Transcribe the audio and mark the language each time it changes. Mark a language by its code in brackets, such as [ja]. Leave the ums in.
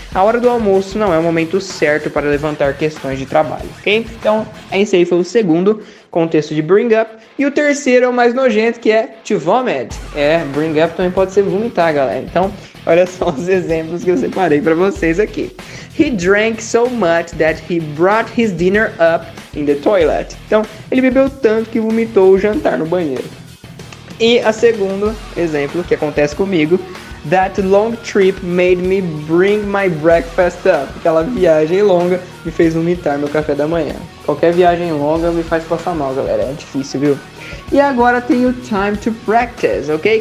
[pt] A hora do almoço não é o momento certo para levantar questões de trabalho, ok? Então, é esse aí foi o segundo contexto de bring up. E o terceiro é o mais nojento, que é to vomit. É, bring up também pode ser vomitar, galera. Então, olha só os exemplos que eu separei para vocês aqui. [en] He drank so much that he brought his dinner up in the toilet. [pt] Então, ele bebeu tanto que vomitou o jantar no banheiro. E a segundo exemplo que acontece comigo [en] That long trip made me bring my breakfast up. [pt] Aquela viagem longa me fez vomitar meu café da manhã. Qualquer viagem longa me faz passar mal, galera. É difícil, viu? E agora tem o time to practice, ok?